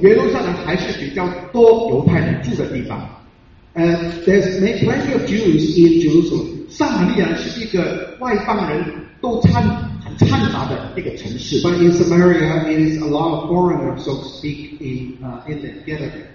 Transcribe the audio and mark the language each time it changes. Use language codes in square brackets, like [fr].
[zh] 耶路撒冷还是比较多犹太人住的地方。 [en] There's many plenty of Jews in Jerusalem. [zh] 撒玛利亚是一个外邦人都掺很掺杂的一个城市。 [en] But in Samaria, it is a lot of foreigners, so to speak, in the gathering.